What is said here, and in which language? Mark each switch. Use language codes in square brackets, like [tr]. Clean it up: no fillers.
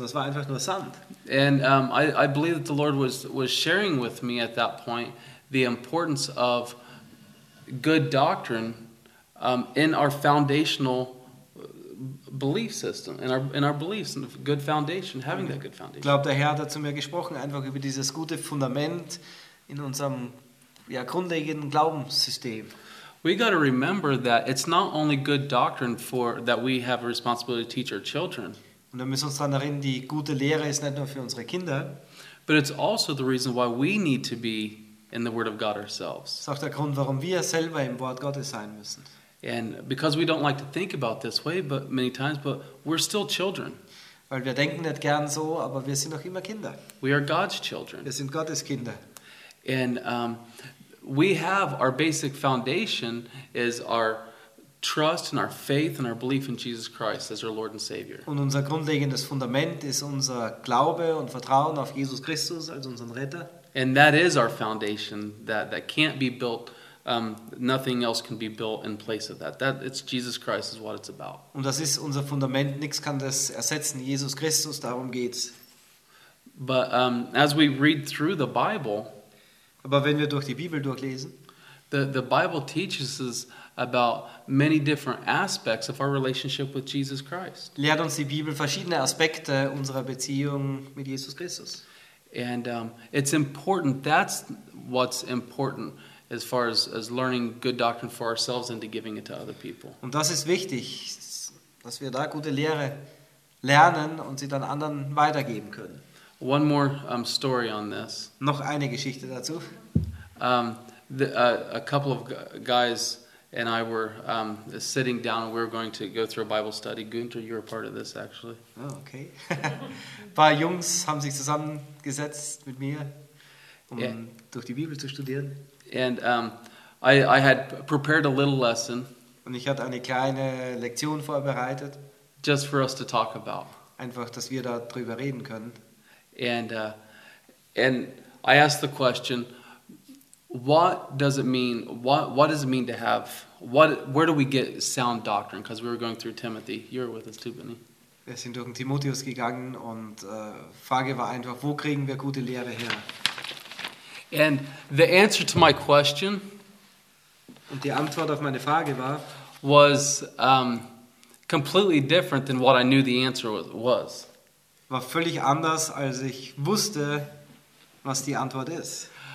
[de] Das war einfach nur Sand. [en] And I believe that the Lord was sharing with me at that point the importance of good doctrine in our foundational belief system, in our beliefs, in a good foundation, having that good foundation. [de] Ich glaube, der Herr hat zu mir gesprochen, einfach über dieses gute Fundament in unserem ja grundlegenden Glaubenssystem. [en] We got to remember that it's not only good doctrine for that we have a responsibility to teach our children. [de] Und wir müssen uns daran erinnern, die gute Lehre ist nicht nur für unsere Kinder. [en] But it's also the reason why we need to be in the Word of God ourselves. [de] Das ist auch der Grund, warum wir selber im Wort Gottes sein müssen. [en] And because we don't like to think about this way, but many times, but we're still children. [de] Weil wir denken nicht gern so, aber wir sind noch immer Kinder. [en] We are God's children. [de] Wir sind Gottes Kinder. [en] And we have our basic foundation is our trust and our faith and our belief in Jesus Christ as our Lord and Savior. [de] Und unser grundlegendes Fundament ist unser Glaube und Vertrauen auf Jesus Christus als unseren Retter. [en] And that is our foundation that can't be built. Nothing else can be built in place of that. That it's Jesus Christ is what it's about. [de] Und das ist unser Fundament. Nichts kann das ersetzen. Jesus Christus. Darum geht's. [en] But as we read through the Bible, [de] aber wenn wir durch die Bibel durchlesen, [en] the Bible teaches us about many different aspects of our relationship with Jesus Christ. [de] Lehrt uns die Bibel verschiedene Aspekte unserer Beziehung mit Jesus Christus. [en] And it's important. That's what's important. As far as learning good doctrine for ourselves and to giving it to other people. [de] Und das ist wichtig, dass wir da gute Lehre lernen und sie dann anderen weitergeben können. [en] One more story on this. [de] Noch eine Geschichte dazu. [en] A couple of guys and I were sitting down, and we were going to go through a Bible study. Günther, you're a part of this, actually. Oh, okay. [de] Ein paar Jungs haben sich zusammengesetzt mit mir, durch die Bibel zu studieren. [en] And I had prepared a little lesson. [de] Und ich hatte eine kleine Lektion vorbereitet. [en] Just for us to talk about. [de] Einfach, dass wir darüber reden können. [en] And I asked the question, where do we get sound doctrine? Because we were going through Timothy. You were with us too, Benny. [de] Wir sind durch den Timotheus gegangen und Frage war einfach, wo kriegen wir gute Lehre her? [en] And the answer to my question, [de] und die Antwort auf meine Frage war, [en] was completely different than what I knew the answer was. [de] War völlig anders, als ich wusste, was die Antwort ist.